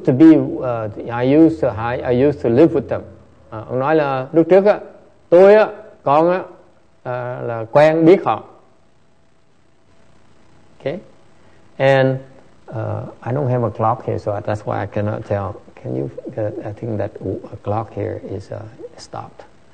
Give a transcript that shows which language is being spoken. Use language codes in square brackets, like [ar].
[en] He says I used to live with them. [vi] Ông nói là lúc trước á, tôi á, con á là quen biết họ. [en] Okay, and I don't have a clock here, so that's why I cannot tell. Can you? I think that a clock here is stopped.